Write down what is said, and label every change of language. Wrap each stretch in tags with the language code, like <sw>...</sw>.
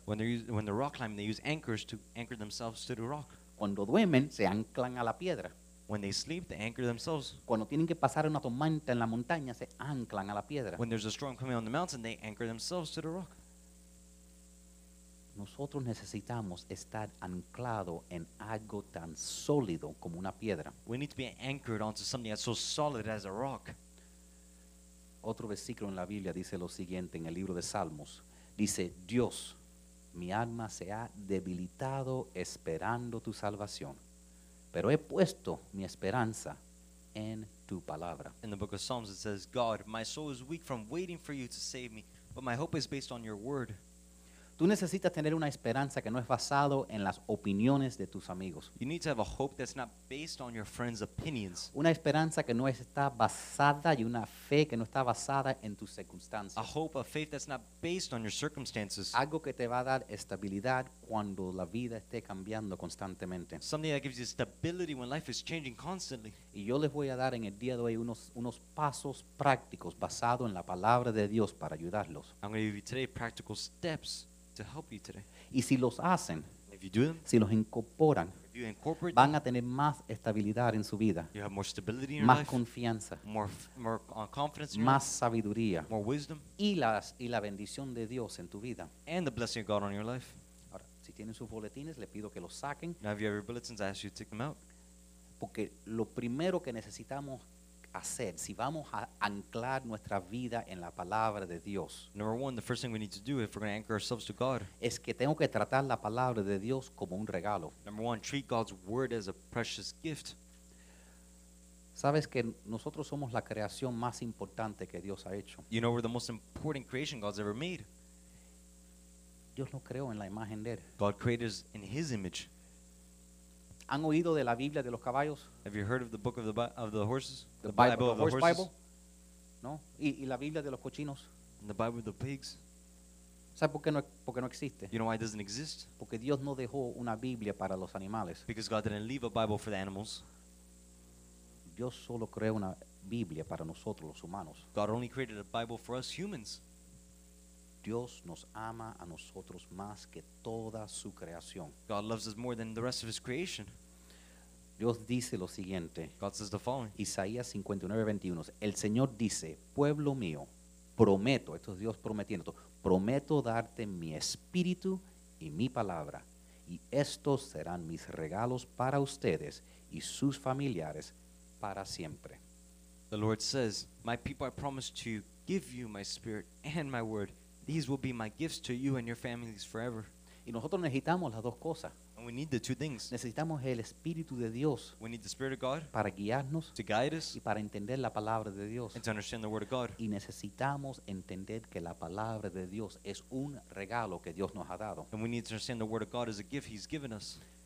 <en>When they're rock climbing, they use anchors to anchor themselves to the rock.</en> <es>Cuando duermen, se anclan a la piedra.</es> <en>When they sleep, they anchor themselves.</en> <es>Cuando tienen que pasar una tormenta en la montaña, se anclan a la piedra.</es> <en>When there's a storm coming on the mountain, they anchor themselves to the rock.</en> <es>Nosotros necesitamos estar anclado en algo tan sólido como una piedra.</es> <en>We need to be anchored onto something that's so solid as a rock.</en> <es>Otro versículo en la Biblia dice lo siguiente en el libro de Salmos. Dice, Dios, mi alma se ha debilitado esperando tu salvación. Pero he puesto mi esperanza en tu palabra.</es> <en>In the book of Psalms it says, God, my soul is weak from waiting for you to save me, but my hope is based on your word.</en> <es>Tú necesitas tener una esperanza que no es basado en las opiniones de tus amigos.</es> <en>You need to have a hope that's not based on your friends' opinions.</en> <es>Una esperanza que no está basada y una fe que no está basada en tus circunstancias.</es> <en>A hope, a faith that's not based on your circumstances.</en> <es>Algo que te va a dar estabilidad cuando la vida esté cambiando constantemente.</es> <en>Something that gives you stability when life is changing constantly.</en> <es>Y yo les voy a dar en el día de hoy unos pasos prácticos basados en la palabra de Dios para ayudarlos.</es> <en>I'm going to give you today practical steps to help you today.</en> <es>Y si los hacen,</es> <en>if you do them,</en> <es>si los incorporan,</es> <en>if you incorporate,</en> <es>van a tener más estabilidad en su vida,</es> <en>you have more stability in your life,</en> <es>confianza,</es> <en>more confidence,</en> <es>más sabiduría,</es> <en>more wisdom,</en> <es>y la bendición de Dios en tu vida,</es> <en>and the blessing of God on your life.</en> <es>Ahora, si tienen sus boletines, le pido que los saquen.</es> <en>Now, if you have your bulletins, I ask you to take them out.</en> <es>Porque lo primero que necesitamos hacer, si vamos a anclar nuestra vida en la palabra de Dios.</es> <en>Number one, the first thing we need to do if we're going to anchor ourselves to God.</en> <es>Es que tengo que tratar la palabra de Dios como un regalo.</es> <en>Number one, treat God's word as a precious gift.</en> <es>Sabes que nosotros somos la creación más importante que Dios ha hecho.</es> <en>You know, we're the most important creation God's ever made.</en> <es>Dios nos creó en la imagen de él.</es> <en>God created us in his image.</en> <es>¿Han oído de la Biblia de los caballos?</es> <en>Have you heard of the book of the horses? The Bible, Bible of the horse horses? Bible? No.</en> <es>¿Y la Biblia de los cochinos?</es> <en>And the Bible of the pigs?</en> <es>¿Sabes por qué no existe?</es> <en>You know why it doesn't exist?</en> <es>Porque Dios no dejó una Biblia para los animales.</es> <en>Because God didn't leave a Bible for the animals.</en> <es>Dios solo creó una Biblia para nosotros los humanos.</es> <en>God only created a Bible for us humans.</en> <es>Dios nos ama a nosotros más que toda su creación.</es> <en>God loves us more than the rest of his creation.</en> <es>Dios dice lo siguiente.</es> <en>God says the following.</en> <es>Isaías 59:21. El Señor dice, pueblo mío, prometo, esto es Dios prometiendo, esto, prometo darte mi espíritu y mi palabra, y estos serán mis regalos para ustedes y sus familiares para siempre.</es> <en>The Lord says, my people, I promise to give you my spirit and my word. These will be my gifts to you and your families forever.</en> <es>Y nosotros necesitamos las dos cosas.</es> <en>And we need the two things.</en> <es>Necesitamos el Espíritu de Dios.</es> <en>We need the Spirit of God.</en> <es>Para guiarnos.</es> <en>To guide us.</en> <es>Y para entender la palabra de Dios.</es> <en>And to understand the word of God.</en> <es>Y necesitamos entender que la palabra de Dios es un regalo que Dios nos ha dado.</es> <en>And we need to understand the word of God is a gift he's given us.</en>